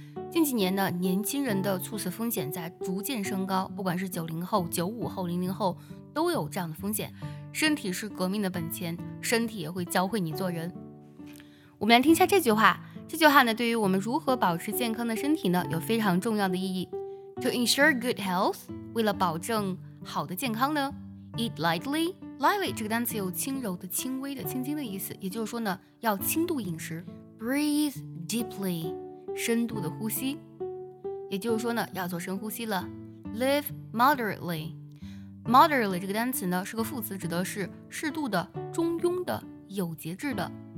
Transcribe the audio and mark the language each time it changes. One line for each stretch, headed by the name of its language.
Chinese: 近几年呢，年轻人的猝死风险在逐渐升高，不管是90后、95后、00后，都有这样的风险。身体是革命的本钱，身体也会教会你做人。我们来听一下这句话，这句话呢，对于我们如何保持健康的身体呢，有非常重要的意义。
English: To ensure good health,
Chinese: 为了保证好的健康呢
English: ，eat lightly。
Chinese: Lightly 这个单词有轻柔的、轻微的、轻轻的意思，也就是说呢，要轻度饮食。
English: Breathe deeply。
Chinese: 深度的呼吸也就是说呢要做深呼吸了
English: Live moderately Moderately
Chinese: 这个单词呢是个副词指的是适度的中庸的有节制的